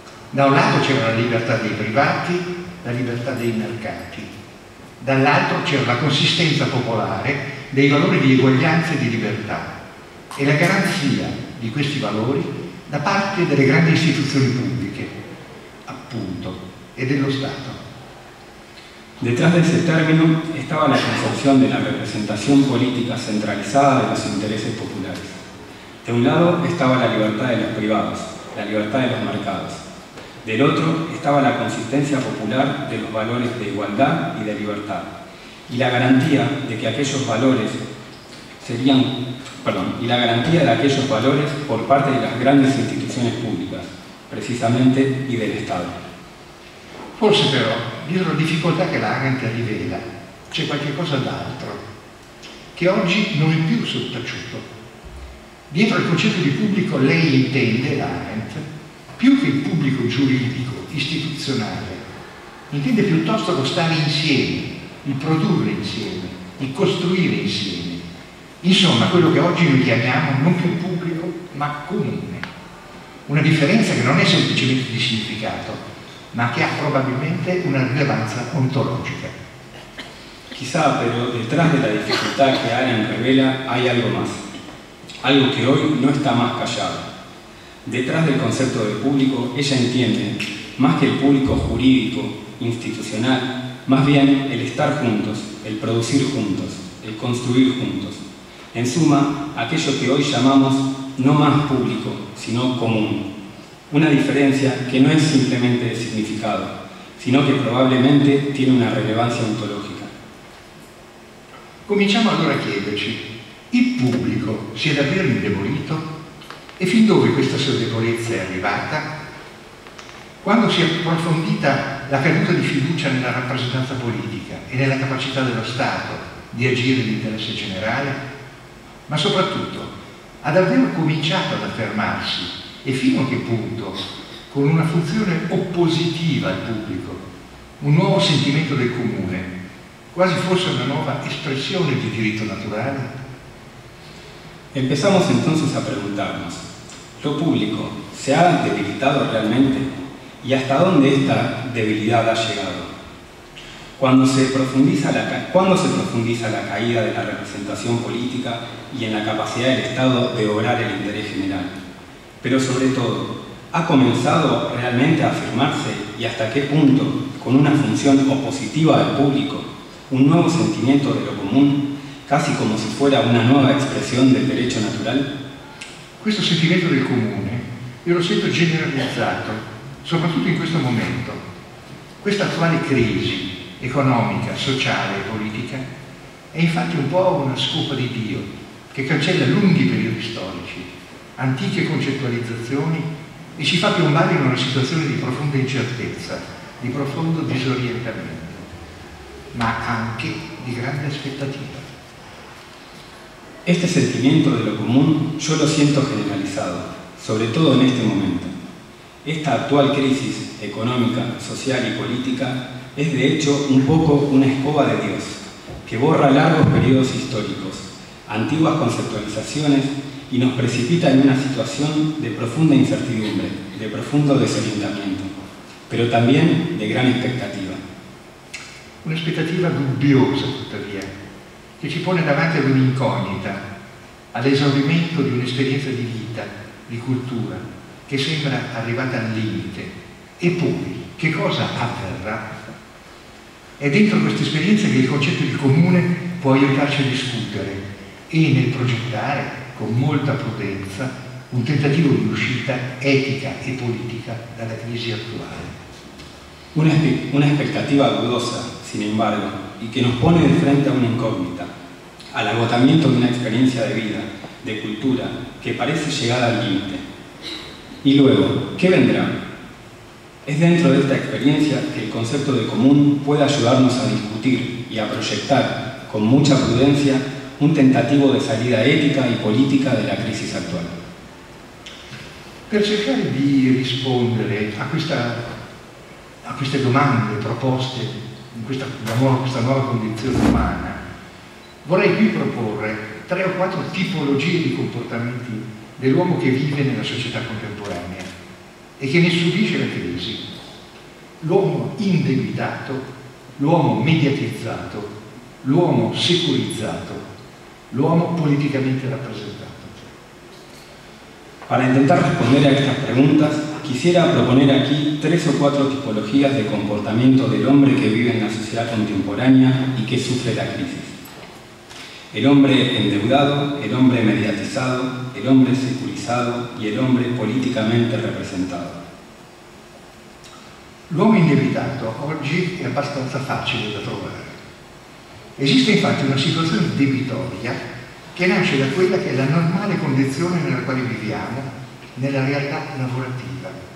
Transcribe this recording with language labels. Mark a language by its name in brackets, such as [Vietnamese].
[Italian] Da un lato c'era la libertà dei privati, la libertà dei mercati. Dall'altro c'era la consistenza popolare dei valori di eguaglianza e di libertà e la garanzia di questi valori da parte delle grandi istituzioni pubbliche, appunto, e dello Stato. [Spanish] Detrás de ese término estaba la concepción de la representación política centralizada de los intereses populares. De un lado estaba la libertad de los privados, la libertad de los mercados. Del otro estaba la consistencia popular de los valores de igualdad y de libertad, y la garantía de que aquellos valores serían, y la garantía de aquellos valores por parte de las grandes instituciones públicas, precisamente, y del Estado. [Italian] Forse però, dietro la difficoltà che Arendt rivela, c'è qualche cosa d'altro, che oggi non è più sottaciuto. Dietro al concetto di pubblico lei intende, Arendt, più che il pubblico giuridico, istituzionale, intende piuttosto lo stare insieme, il produrre insieme, il costruire insieme. Insomma, quello che oggi noi chiamiamo non più pubblico, ma comune. Una differenza che non è semplicemente di significato, ma che ha probabilmente una rilevanza ontologica. Chissà, però, [Spanish] detrás [Italian] della difficoltà che Arendt rivela, [Spanish] hay algo más. Algo [Italian] che oggi non sta [Spanish] más [Italian] callato. [Spanish] Detrás del concepto de público, ella entiende, más que el público jurídico, institucional, más bien el estar juntos, el producir juntos, el construir juntos. En suma, aquello que hoy llamamos no más público, sino común. Una diferencia que no es simplemente de significado, sino que probablemente tiene una relevancia ontológica. [Italian] Cominciamo allora a chiederci, ¿il pubblico si è davvero indebolito? E fin dove questa sua debolezza è arrivata? Quando si è approfondita la caduta di fiducia nella rappresentanza politica e nella capacità dello Stato di agire nell'interesse generale? Ma soprattutto, ha davvero cominciato ad affermarsi, e fino a che punto, con una funzione oppositiva al pubblico, un nuovo sentimento del comune, quasi fosse una nuova espressione di diritto naturale? [Spanish] Empezamos entonces a preguntarnos, ¿lo público se ha debilitado realmente? ¿Y hasta dónde esta debilidad ha llegado? ¿Cuándo se profundiza la caída de la representación política y en la capacidad del Estado de obrar el interés general? Pero sobre todo, ¿ha comenzado realmente a afirmarse y hasta qué punto, con una función opositiva del público, un nuevo sentimiento de lo común, casi como si fuera una nueva expresión del derecho natural? [Italian] Questo sentimento del comune io lo sento generalizzato, soprattutto in questo momento. Questa attuale crisi economica, sociale e politica è infatti un po' una scopa di Dio che cancella lunghi periodi storici, antiche concettualizzazioni e ci fa piombare in una situazione di profonda incertezza, di profondo disorientamento, ma anche di grande aspettativa. [Spanish] Este sentimiento de lo común yo lo siento generalizado, sobre todo en este momento. Esta actual crisis económica, social y política es de hecho un poco una escoba de Dios, que borra largos periodos históricos, antiguas conceptualizaciones y nos precipita en una situación de profunda incertidumbre, de profundo desorientamiento, pero también de gran expectativa. [Italian] Una expectativa dubbiosa, tuttavia, che ci pone davanti ad un'incognita, all'esaurimento di un'esperienza di vita, di cultura, che sembra arrivata al limite. E poi, che cosa avverrà? È dentro questa esperienza che il concetto di comune può aiutarci a discutere e nel progettare con molta prudenza un tentativo di uscita etica e politica dalla crisi attuale. Una aspettativa dolorosa, [Spanish] sin embargo, y que nos pone de frente a una incógnita, al agotamiento de una experiencia de vida, de cultura, que parece llegar al límite. Y luego, ¿qué vendrá? Es dentro de esta experiencia que el concepto de común puede ayudarnos a discutir y a proyectar, con mucha prudencia, un tentativo de salida ética y política de la crisis actual. [Italian] Per cercare di rispondere a queste domande proposte in questa nuova condizione umana, vorrei qui proporre tre o quattro tipologie di comportamenti dell'uomo che vive nella società contemporanea e che ne subisce la crisi. L'uomo indebitato, l'uomo mediatizzato, l'uomo securizzato, l'uomo politicamente rappresentato. [Spanish] Para intentar responder a estas preguntas, quisiera proponer aquí tres o cuatro tipologías de comportamiento del hombre que vive en la sociedad contemporánea y que sufre la crisis. El hombre endeudado, el hombre mediatizado, el hombre securizado y el hombre políticamente representado. [Italian] L'uomo indebitato oggi è abbastanza facile da trovare. Esiste infatti una situazione debitoria che nasce da quella che è la normale condizione nella quale viviamo, nella realtà lavorativa.